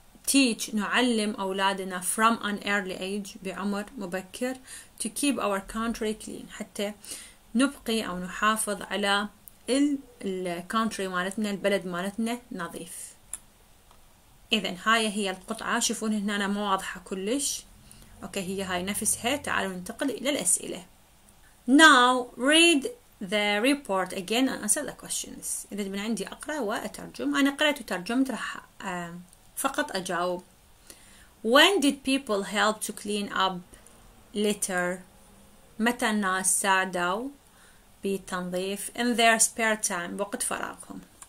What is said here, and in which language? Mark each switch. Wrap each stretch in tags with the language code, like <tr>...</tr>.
<en>teach</en> <ar>نعلم أولادنا</ar> <en>from an early age</en> <ar>بعمر مبكر</ar> <en>to keep our country clean</en> <ar>حتى نبقي أو نحافظ على ال country مالتنا البلد مالتنا نظيف. إذا هاي هي القطعة، شوفون هنا أنا مو واضحة كلش. أوكي هي هاي نفسها، تعالوا ننتقل إلى الأسئلة.</ar> <en>Now read the report again and answer the questions.</en> <ar>إذا من عندي أقرأ وأترجم، أنا قرأت وترجمت راح فقط أجاوب.</ar> <en>When did people help to clean up litter؟</en> <ar>متى الناس ساعدوا بتنظيف؟</ar> <en>In their spare time،</en> <ar>وقت فراغهم.</ar>